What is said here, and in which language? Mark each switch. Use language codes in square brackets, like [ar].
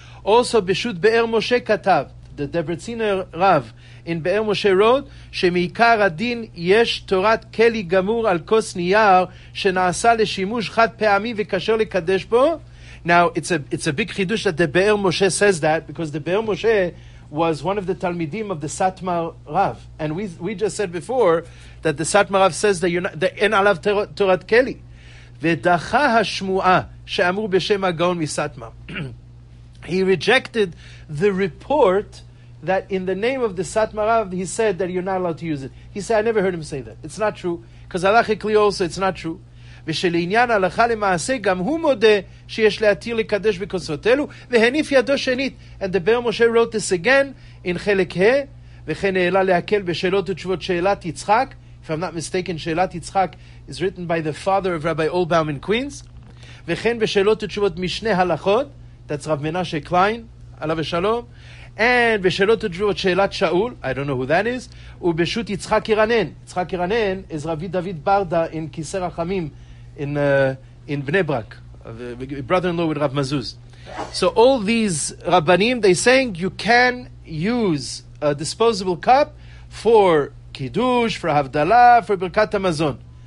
[he] אוסו בשוט באר משה כתב, [en] the Debreciner Rav, in [he] באר משה רוד, שמעיקר הדין יש תורת כלי גמור על כוס נייר, שנעשה לשימוש חד פעמי וקשר לקדש בו. [en] Now, it's a big chidush that the באר משה says that, because the באר משה was one of the Talmidim of the Satmar Rav. And we just said before that the Satmar Rav says that [he] אין עליו תורת כלי. ודחה השמועה שאמרו בשם הגאון מסתמר. [en] He rejected the report that in the name of the Satmar Rav, he said that you're not allowed to use it. He said, I never heard him say that. It's not true. Because halachically also, it's not true. [he] ושלעניין הלכה למעשה, גם הוא מודה שיש להתיר לקדש בכוסות אלו, והניף ידו שנית. [en] And the באר משה wrote this again in חלק ה, [he] וכן העלה להקל בשאלות ותשובות שאלת יצחק. [en] If I'm not mistaken, שאלת יצחק is written by the father of Rabbi Olbaum in Queens. [he] וכן בשאלות ותשובות משני הלכות, [en] that's Rav Menashe Klein, [he] עליו השלום. [en] And בשאלות ותשובות שאלת שאול, I don't know who that is, ובשוט יצחק ירנן. יצחק ירנן is רבי דוד ברדה in כיסא רחמים, in Bnei Brak, brother-in-law with Rav Mazuz. So all these rabbanim, they're saying you can use a disposable cup for kiddush, for havdalah, for birkat hamazon.